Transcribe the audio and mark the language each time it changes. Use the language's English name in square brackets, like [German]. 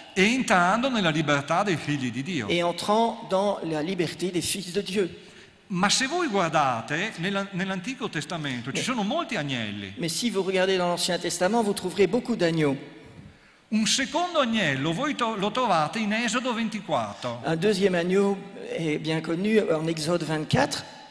[Italian] E entrando nella libertà dei figli di Dio. [French] Et entrant dans la liberté des fils de Dieu. [Italian] Ma se voi guardate nell'Antico Testamento ci sono molti agnelli. [French] Mais si vous regardez dans l'Ancien Testament, vous trouverez beaucoup d'agneaux. [Italian] Un secondo agnello voi lo trovate in Esodo 24. [French] Un deuxième agneau est bien connu en Exode 24.